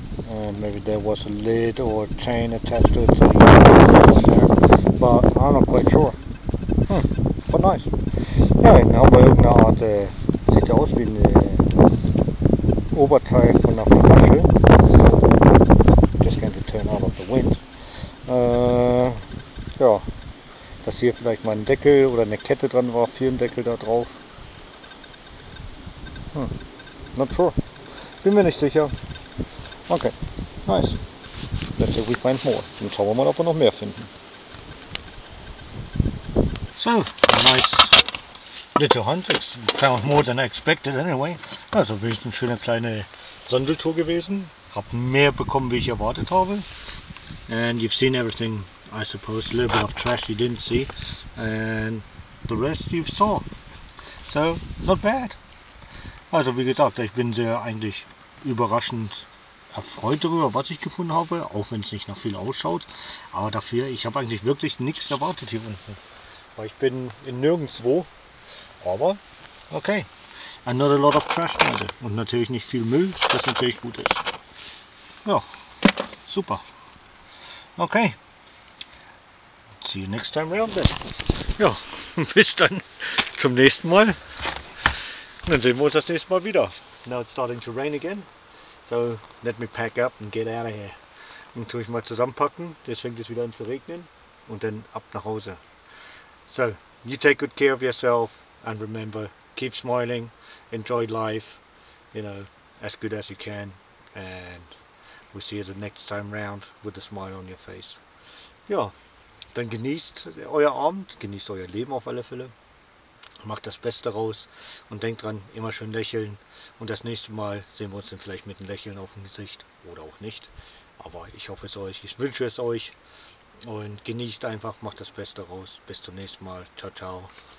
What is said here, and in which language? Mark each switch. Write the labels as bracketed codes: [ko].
[en] And maybe there was a lid or a chain attached to it, so you can put it on there. But I'm not quite sure. But nice. Yeah, now we're looking at it also in the [de] Oberteil von der Flasche. [en] Just going to turn out of the wind. Yeah. [de] Dass hier vielleicht mal ein Deckel oder eine Kette dran war, Firmendeckel da drauf. [en] Not sure. [de] Bin mir nicht sicher. [en] Okay, nice. Let's see if we find more. [de] Dann schauen wir mal, ob wir noch mehr finden. [en] So, a nice little hunt. Found more than I expected anyway. [de] Also wenigstens eine schöne kleine Sondeltour gewesen. Hab mehr bekommen, wie ich erwartet habe. [en] And you've seen everything. I suppose a little bit of trash you didn't see, and the rest you saw. So not bad. [de] Also wie gesagt, ich bin sehr eigentlich überraschend erfreut darüber, was ich gefunden habe, auch wenn es nicht nach viel ausschaut. Aber dafür, ich habe eigentlich wirklich nichts erwartet hier unten, weil ich bin in nirgendwo. Aber okay, [en] and not a lot of trash, Leute. [de] Und natürlich nicht viel Müll, das natürlich gut ist. [en] Ja, super. Okay. See you next time around then. [de] Ja, bis dann zum nächsten Mal. Dann sehen wir uns das nächste Mal wieder. [en] Now it's starting to rain again. So let me pack up and get out of here. [de] Dann tue ich mal zusammenpacken. Jetzt fängt es wieder an zu regnen. Und dann ab nach Hause. [en] So, you take good care of yourself. And remember, keep smiling. Enjoy life. You know, as good as you can. And we'll see you the next time round with a smile on your face. [de] Ja. Dann genießt euer Abend, genießt euer Leben auf alle Fälle. Macht das Beste raus und denkt dran, immer schön lächeln. Und das nächste Mal sehen wir uns dann vielleicht mit einem Lächeln auf dem Gesicht oder auch nicht. Aber ich hoffe es euch, ich wünsche es euch. Und genießt einfach, macht das Beste raus. Bis zum nächsten Mal. Ciao, ciao.